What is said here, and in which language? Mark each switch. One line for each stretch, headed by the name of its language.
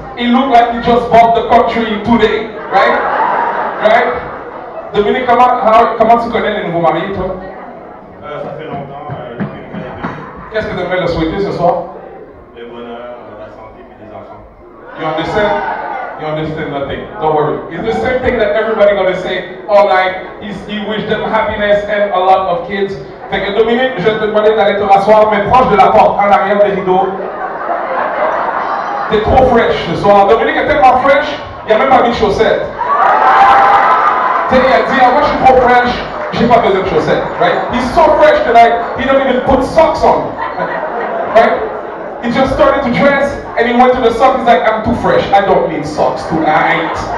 English: He looked like he just bought the country today, right? Right?
French: Dominique, comment tu connais les nouveaux mariés, toi? Ça fait longtemps. Qu'est-ce que tu aimerais le souhaiter ce soir? Le bonheur, la santé et les enfants.
English: You understand? You understand nothing. Don't worry. It's the same thing that everybody gonna say online. He wish them happiness and a lot of kids.
French: Fait que Dominique, je vais te demander d'aller te rasseoir, mais proche de la porte, en arrière des rideaux. T'es trop fresh ce soir. Dominique est tellement fresh, il a même pas mis de chaussettes. T'as dit, moi je suis trop fresh, j'ai pas besoin de chaussettes, right?
English: He's so fresh tonight, he don't even put socks on, right? He just started to dress, and he went to the socks, he's like, I'm too fresh, I don't need socks tonight.